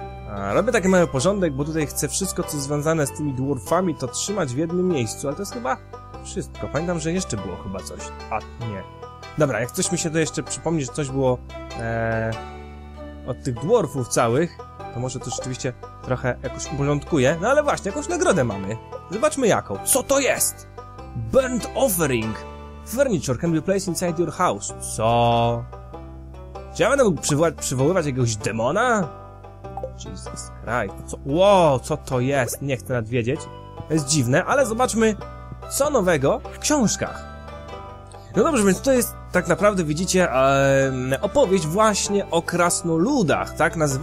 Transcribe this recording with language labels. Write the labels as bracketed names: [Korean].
[Polish] A, robię taki mały porządek, bo tutaj chcę wszystko, co związane z tymi dwarfami, to trzymać w jednym miejscu, ale to jest chyba wszystko. Pamiętam, że jeszcze było chyba coś. A, nie. Dobra, jak coś mi się to jeszcze przypomni, że coś było od tych dwarfów całych, to może to rzeczywiście trochę jakoś uporządkuję. No ale właśnie, jakąś nagrodę mamy. Zobaczmy jaką. Co to jest? Burnt Offering. [English] Furniture can be placed inside your house. [Polish] Co? Czy ja będę mógł przywoływać jakiegoś demona? [English] Jesus Christ. [Polish] Co? Wow, co to jest? Nie chcę nawet wiedzieć. To jest dziwne, ale zobaczmy, co nowego w książkach. No dobrze, więc to jest, tak naprawdę widzicie, opowieść właśnie o krasnoludach, tak?